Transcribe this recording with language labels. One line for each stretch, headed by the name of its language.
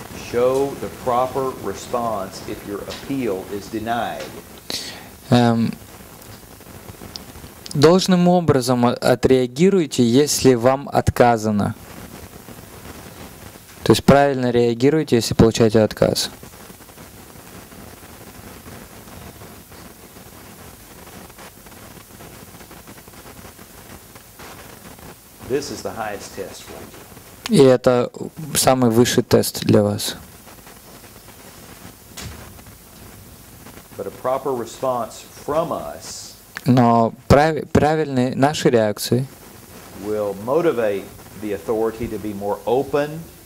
English: Show the proper response if your appeal is denied.
Russian: Должным образом отреагируйте, если вам отказано. То есть правильно реагируйте, если получаете отказ.
English: This is the highest test for you.
Russian: И это самый высший тест для вас.
English: But a proper response from us.
Russian: Но правильные наши реакции
English: will motivate the authority to be more open.